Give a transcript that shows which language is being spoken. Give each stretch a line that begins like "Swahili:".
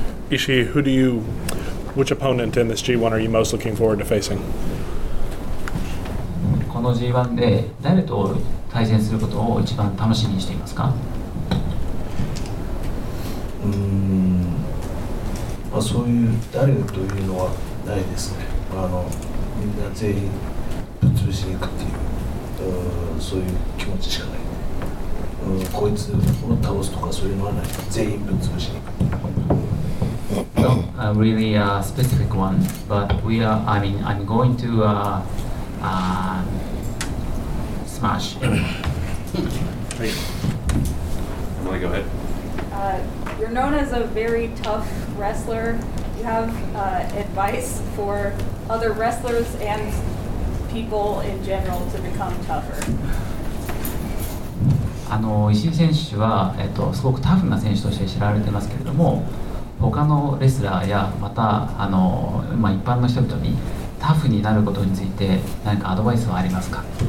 English: Ishii, which opponent in this G1 are you most looking forward to facing?
Japanese: この G1 で誰と対戦することを一番楽しみにしていますか？まあ、そういう誰というのはないですね。まあ、あのみんな全員ぶっ潰しに行くっていう、そういう気持ちしかない。こいつを倒すとかそういうのはない。全員ぶっ潰しに行く。
English: So, a really specific one, but we are, I mean, I'm going to smash. Emily, go ahead. You're known as a very tough wrestler. You have advice for other wrestlers and people in general to become tougher.
Japanese: あの、石井選手は、すごくタフな選手として知られてますけれども、他のレスラーやまたあの、まあ、一般の人々にタフになることについて何かアドバイスはありますか？